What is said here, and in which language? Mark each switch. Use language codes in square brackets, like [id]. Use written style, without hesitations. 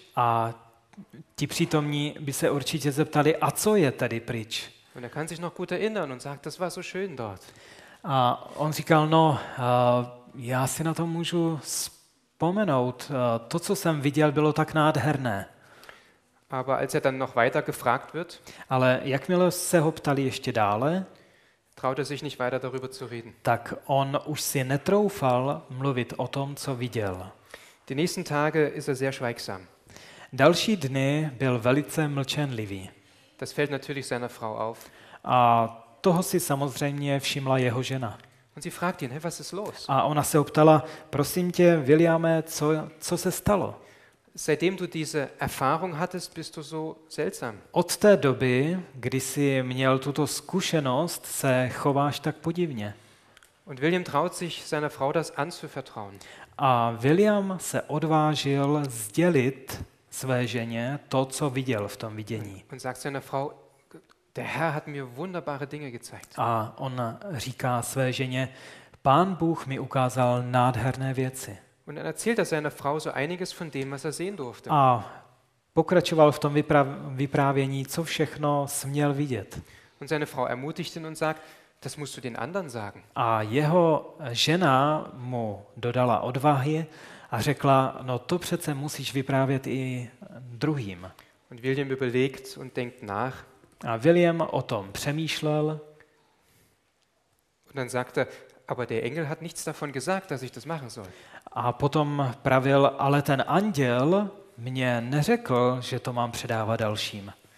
[cs] A ti přítomní by se určitě zeptali, a co je tady pryč? [de] Und er kann sich noch gut erinnern und sagt, das war so schön dort. [cs] A on říkal, no, já si na to můžu vzpomenout. To, co jsem viděl, bylo tak nádherné. [de] Aber als er dann noch weiter gefragt wird, [cs] ale jakmile se ho ptali ještě dále, [de] traut er sich nicht weiter darüber zu reden. [cs] Tak on už si netroufal mluvit o tom, co viděl. [de] Die nächsten Tage ist er sehr schweigsam. [cs] Další dny byl velice mlčenlivý. [de] Das fällt natürlich seiner Frau auf. [cs] A toho si samozřejmě všimla jeho žena. [de] Und sie fragt ihn, hey, was ist los? [cs] A ona se ho ptala, prosím tě, Williame, co se stalo? [de] Seitdem du diese Erfahrung hattest, bist du so seltsam. [cs] Od té doby, kdy jsi měl tuto zkušenost, se chováš tak podivně. [de] Und William traut sich seiner Frau das anzuvertrauen. [cs] A William se odvážil sdělit své ženě to, co viděl v tom vidění. [de] Und sagt seiner Frau, der Herr hat mir wunderbare Dinge gezeigt. [cs] A on říká své ženě, Pán Bůh mi ukázal nádherné věci. [de] Und er erzählt seiner Frau so einiges von dem, was er sehen durfte. [cs] A pokračoval v tom vyprávění, co všechno směl vidět. [de] Und seine Frau ermutigt ihn und sagt, das musst du den anderen sagen. [cs] A jeho žena mu dodala odvahy a řekla, no to přece musíš vyprávět i druhým. [de] Und William überlegt und denkt nach. [cs] A William o tom přemýšlel. [de] Und dann sagte, aber der Engel hat nichts davon gesagt, dass ich das machen soll. [cs] A potom pravil, ale ten anděl mě neřekl, že to mám předávat dalším.